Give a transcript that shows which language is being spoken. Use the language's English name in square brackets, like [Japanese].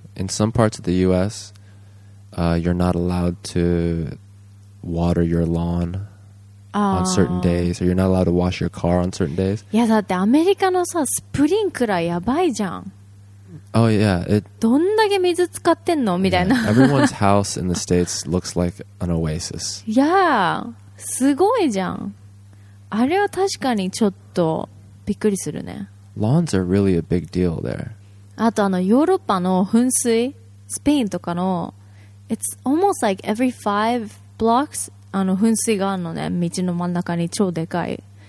[English] In some parts of the U.S., you're not allowed to water your lawn on certain days, or you're not allowed to wash your car on certain days. [Japanese] Yeah, だってアメリカのさ、スプリンクラーやばいじゃん。 [English] Oh yeah, it. [Japanese] どんだけ水使ってんのみたいな。 [English] Everyone's house in the States looks like an oasis. [Japanese] Yeah, すごいじゃん。あれは確かにちょっとびっくりするね。 [English] Lawns are really a big deal there. [Japanese] あとヨーロッパの噴水、スペインとかの、 [English] it's almost like every five blocks [Japanese] 噴水があるのね、道の真ん中に超でかい。